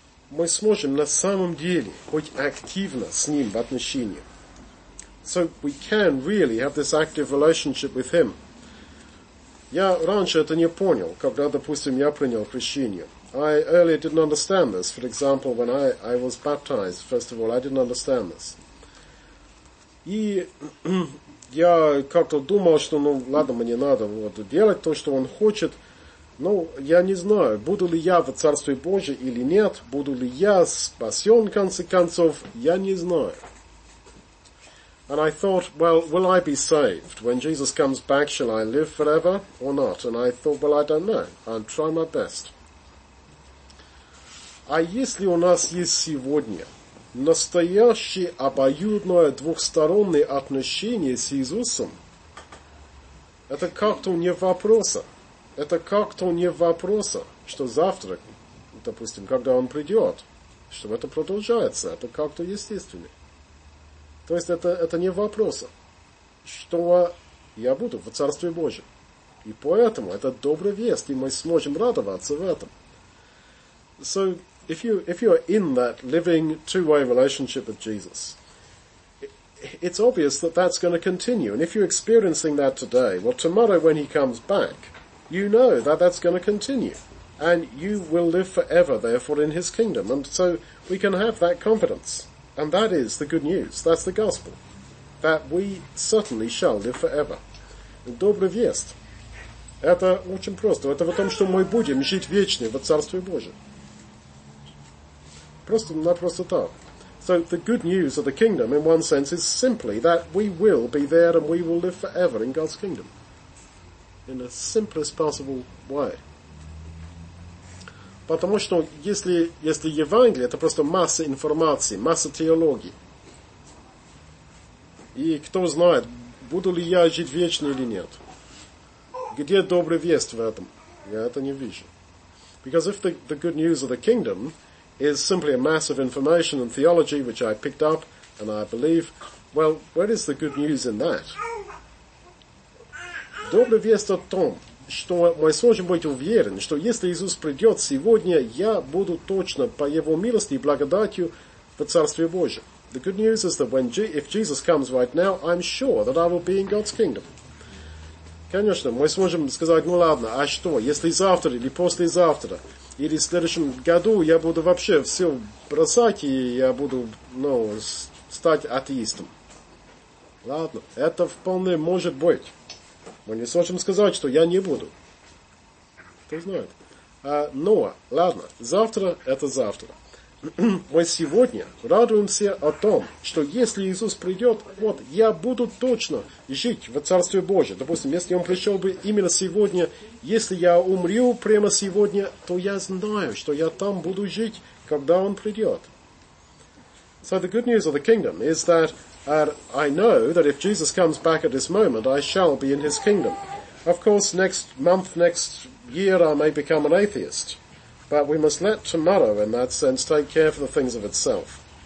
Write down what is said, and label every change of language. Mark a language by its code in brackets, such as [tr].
[ru] мы сможем на самом деле быть активно с ним в отношениях. [en] So we can really have this active relationship with him. [ru] Я раньше это не понял, когда, допустим, я принял крещение. [en] I earlier didn't understand this. For example, when I was baptized, first of all, I didn't understand this. [ru] И я как-то думал, что, ладно, мне надо делать то, что он хочет. Я не знаю, буду ли я в Царстве Божьем или нет, буду ли я спасен, в конце концов, я не знаю. [en] And I thought, well, will I be saved? When Jesus comes back, shall I live forever or not? And I thought, well, I don't know. I'll try my best. [ru] А если у нас есть сегодня настоящее обоюдное двухстороннее отношение с Иисусом, это как-то не вопроса. Это как-то не вопроса, что завтра, допустим, когда он придет, что это продолжается, это как-то естественно. То есть это не вопрос, что я буду в Царстве Божьем. И поэтому это добрая весть, и мы сможем радоваться в этом. [en] So, if you are in that living two-way relationship with Jesus, it's obvious that that's going to continue. And if you're experiencing that today, well, tomorrow when he comes back, you know that that's going to continue. And you will live forever, therefore, in his kingdom. And so we can have that confidence. And that is the good news. That's the gospel. That we certainly shall live forever. [ru] Добрая весть. Это очень просто. Это в том, что мы будем жить вечно в Царстве Божьем. Просто-напросто так. [en] So the good news of the kingdom, in one sense, is simply that we will be there and we will live forever in God's kingdom. In the simplest possible way. [ru] Потому что если Евангелие, это просто масса информации, масса теологии. И кто знает, буду ли я жить вечно или нет. Где добрая весть в этом? Я это не вижу. [en] Because if the good news of the kingdom is simply a mass of information and theology, which I picked up and I believe, well, where is the good news in that? [ru] Добрая весть о том, что мы сможем быть уверены, что если Иисус придет сегодня, я буду точно по Его милости и благодатью в Царстве Божьем. [en] The good news is that if Jesus comes right now, I'm sure that I will be in God's kingdom. [ru] Конечно, мы сможем сказать, ну ладно, а что, если завтра или послезавтра, или в следующем году я буду вообще все бросать, и я буду, ну, стать атеистом. Ладно, это вполне может быть. Мы не сможем сказать, что я не буду. Кто знает. Но, ладно, завтра это завтра. Мы сегодня радуемся о том, что если Иисус придет, вот, я буду точно жить в Царстве Божьем. Допустим, если Он пришел бы именно сегодня, если я умру прямо сегодня, то я знаю, что я там буду жить, когда Он придет. [en] So the good news of the kingdom is that I know that if Jesus comes back at this moment, I shall be in his kingdom. Of course, next month, next year, I may become an atheist. But we must let tomorrow, in that sense, take care of the things of itself.